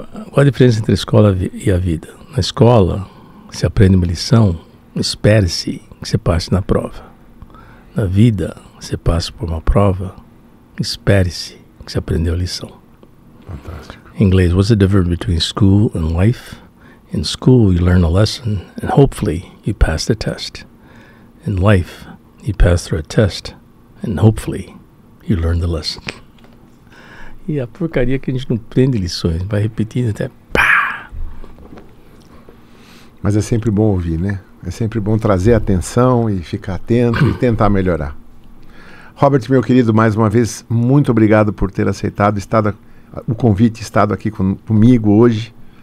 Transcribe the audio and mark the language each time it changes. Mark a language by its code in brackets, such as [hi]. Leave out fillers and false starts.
[pt] Qual a diferença entre a escola e a vida? Na escola, você aprende uma lição, espere-se que você passe na prova. Na vida, você passa por uma prova, espere-se que você aprendeu a lição. Fantástico. Em inglês, [en] what's the difference between school and life? In school, you learn a lesson, and hopefully, you pass the test. In life, you pass through a test, and hopefully, you learn the lesson. [pt] E a porcaria que a gente não aprende lições, vai repetindo até pá! Mas é sempre bom ouvir, né? É sempre bom trazer atenção e ficar atento e tentar melhorar. Robert, meu querido, mais uma vez, muito obrigado por ter aceitado o convite, estado aqui comigo hoje.